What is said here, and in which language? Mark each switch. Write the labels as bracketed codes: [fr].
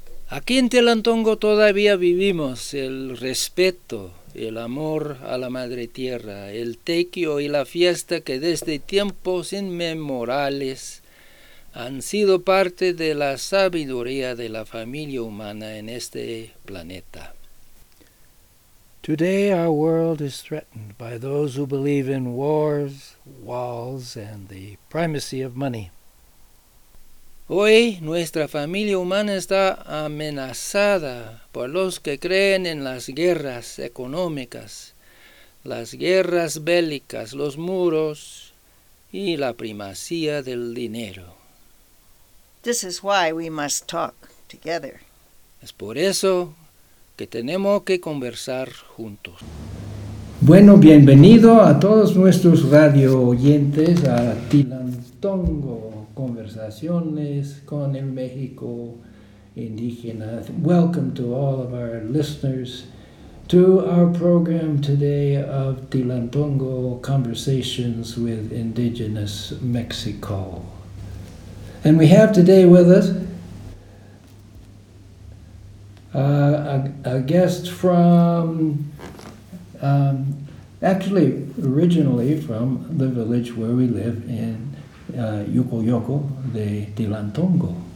[es] Aquí en Tilantongo todavía vivimos el respeto, el amor a la madre tierra, el tequio y la fiesta que desde tiempos inmemorables han sido parte de la sabiduría de la familia humana en este planeta. [en] Today our world is threatened by those who believe in wars, walls, and the primacy of money. [es] Hoy nuestra familia humana está amenazada por los que creen en las guerras económicas, las guerras bélicas, los muros y la primacía del dinero. [en] This is why we must talk together. [es] Es por eso que tenemos que conversar juntos. Bueno, bienvenido a todos nuestros radio oyentes a Tilantongo. Conversaciones con el México indígena. [en] Welcome to all of our listeners to our program today of Tilantongo Conversations with Indigenous Mexico. And we have today with us a guest from, actually originally from the village where we live in Yukuyoko de Tilantongo.